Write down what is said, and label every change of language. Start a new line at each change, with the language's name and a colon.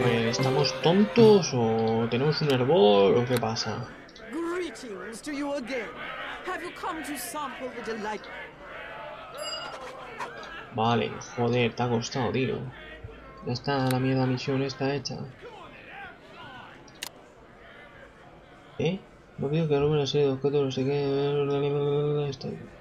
Spanish: ¿Estamos tontos o tenemos un hervor o qué pasa?
English: Greetings to you again. Have you come to sample the delight?
Spanish: Vale, joder, te ha costado, tío. Ya está, la mierda misión está hecha. ¿Eh? No veo que Rubén ha sido objeto, no sé qué. Estoy.